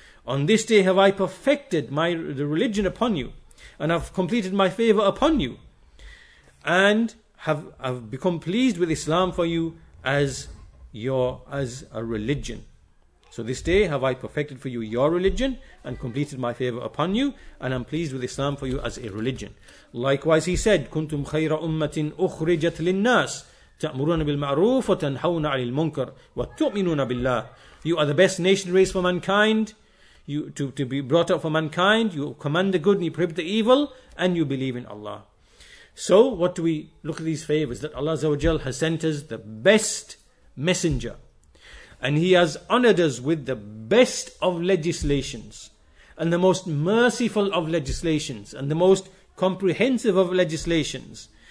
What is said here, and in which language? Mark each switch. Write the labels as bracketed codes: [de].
[en] On this day have I perfected the religion upon you, and have completed my favor upon you, and have become pleased with Islam for you as a religion. So this day have I perfected for you your religion, and completed my favor upon you, and I'm pleased with Islam for you as a religion. Likewise he said, [ar] كُنْتُمْ خَيْرَ أُمَّةٍ أُخْرِجَتْ لِلنَّاسِ تَأْمُرُونَ بِالْمَعْرُوفِ وَتَنْحَوْنَ عَلِي الْمُنْكَرِ وَتُؤْمِنُونَ بِاللَّهِ. [en] You are the best nation raised for mankind, to be brought up for mankind, you command the good and you prohibit the evil, and you believe in Allah. So what do we look at these favors? That Allah Azza wa Jal has sent us the best messenger, and he has honored us with the best of legislations, and the most merciful of legislations, and the most comprehensive of legislations.